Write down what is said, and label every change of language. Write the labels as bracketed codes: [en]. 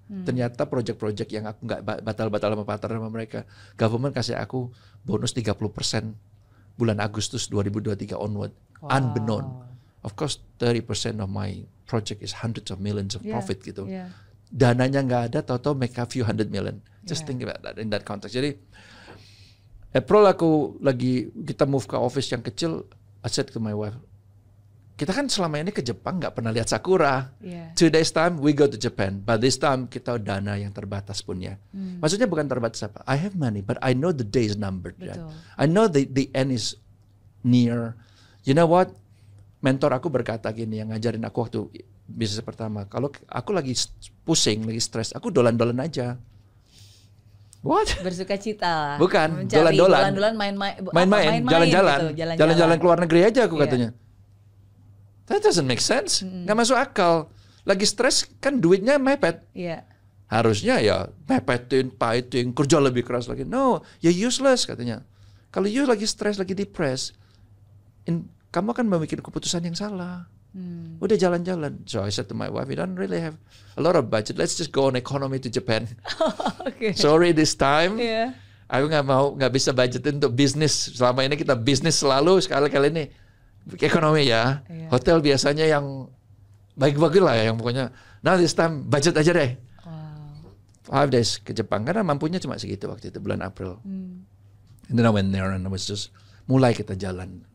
[id] Ternyata proyek-proyek yang aku gak batal-batal sama partner sama mereka, government kasih aku bonus 30% bulan Agustus 2023 onward. [en] Wow. Unbeknown. Of course 30% of my project is hundreds of millions of profit, yeah, [id] gitu. [en] Yeah. [id] Dananya gak ada, tau-tau [en] make a few hundred million. Just think about that in that context. [id] Jadi April aku lagi, kita move ke office yang kecil. [en] I said to my wife, [id] kita kan selama ini ke Jepang gak pernah lihat sakura. [en] Yeah. 2 days time we go to Japan. But this time [id] kita dana yang terbatas punya. Maksudnya bukan terbatas apa, [en] I have money but I know the day is numbered. [id] Betul. [en] Right? I know the end is near. You know what? [id] Mentor aku berkata gini, yang ngajarin aku waktu bisnis pertama, kalau aku lagi pusing, lagi stres, aku dolan-dolan aja. What? Bersuka cita. Bukan, mencari, dolan-dolan. Dolan-dolan, main-main, jalan-jalan. Gitu, jalan-jalan keluar negeri aja aku katanya. [en] That doesn't make sense. [id] Gak masuk akal. Lagi stres, kan duitnya mepet. Harusnya ya mepetin, pahitin, kerja lebih keras lagi. [en] No, you're useless katanya. [id] Kalau you lagi stres, lagi depressed, kamu akan membuat keputusan yang salah. Udah jalan-jalan. [en] So I said to my wife, we don't really have a lot of budget, let's just go on economy to Japan. Sorry this time, [id] aku gak mau, gak bisa budgetin untuk bisnis. Selama ini kita bisnis selalu, sekali-kali ini ekonomi, ya. Hotel biasanya yang baik-baik lah, ya, yang pokoknya. Nah [en] this time [id] budget aja deh. 5 days ke Jepang karena mampunya cuma segitu waktu itu bulan April. [en] And then I went there and it was just [id] mulai kita jalan.